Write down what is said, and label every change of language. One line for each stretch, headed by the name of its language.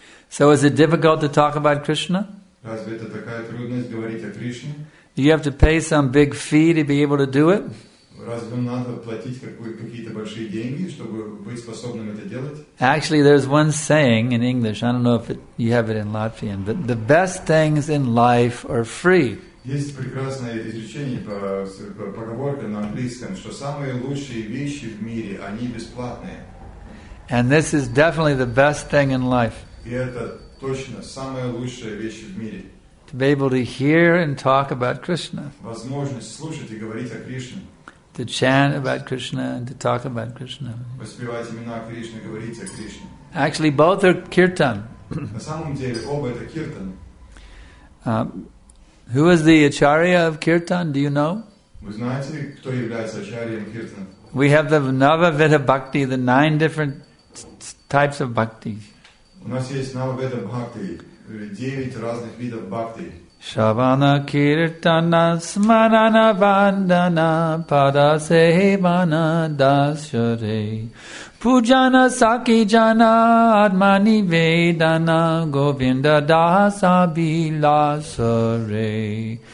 English: So is it difficult to talk about Krishna?
Russian: Разве это такая трудность говорить о Кришне?
English: You have to pay some big fee to be able to do it?
Russian: Разве надо платить какие-то большие деньги, чтобы быть способным это делать?
English: Actually, there's one saying in English. I don't know if you have it in Latvian, but the best things in life are free.
Russian: Есть прекрасное изречение поговорка на английском, что самые лучшие вещи в мире они бесплатные.
English: And this is definitely the best thing in life.
Russian: И это точно самая лучшая вещь в мире.
English: To be able to hear and talk about Krishna.
Russian: Возможность слушать и говорить о Кришне.
English: To chant about Krishna and to talk about Krishna.
Russian: Воспевать имена Кришны, говорить о Кришне.
English: Actually, both are kirtan.
Russian: На самом деле, оба это киртан.
English: Who is the acharya of kirtan? Do you know?
Russian: Вы знаете, кто является ачарьем киртан?
English: We have the Navaveda Bhakti, the nine different types of bhakti.
Russian: У нас есть Navaveda Bhakti, девять разных видов бхакти.
Sanskrit: Shavana kirtana smarana vandana pada sevana dasyare pujana saki jana admani vedana govinda dasa bilasare.